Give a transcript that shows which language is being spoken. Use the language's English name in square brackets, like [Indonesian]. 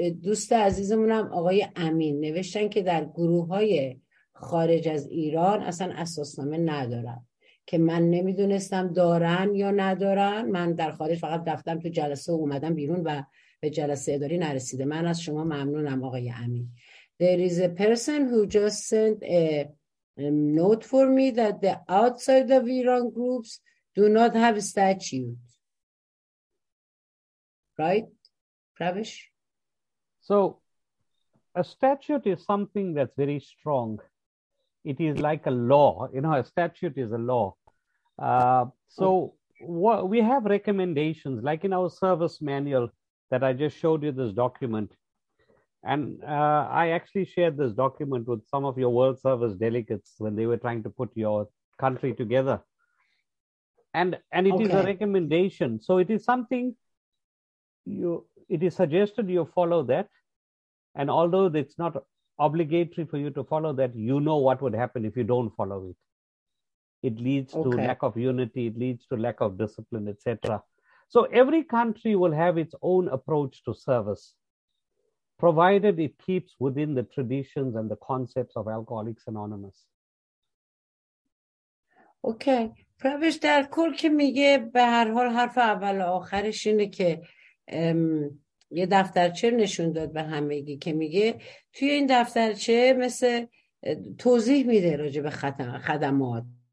[Persian] دوست عزیزمونم آقای امین نوشتن که در گروه های خارج از ایران اصلا اساسنامه ندارن که من نمیدونستم دارن یا ندارن من در خارج فقط رفتم تو جلسه و اومدم بیرون و به جلسه اداری نرسیده من از شما ممنونم آقای امین [English] There is a person who just sent a note for me that the outside of Iran groups do not have statute Right? Ravish? So, a statute is something that's very strong. It is like a law. You know, a statute is a law. We have recommendations, like in our service manual that I just showed you this document. And I actually shared this document with some of your World Service delegates when they were trying to put your country together. And it okay. is a recommendation. So, it is something you... It is suggested you follow that. And although it's not obligatory for you to follow that, you know what would happen if you don't follow it. It leads okay. to lack of unity. It leads to lack of discipline, etc. So every country will have its own approach to service, provided it keeps within the traditions and the concepts of Alcoholics Anonymous. Okay. [Persian] Pravish, در کل که میگه به هر حال حرف اول آخرش اینه که یه دفترچه نشون داد به همگی که میگه توی این دفترچه مثل توضیح میده راجع به خدمات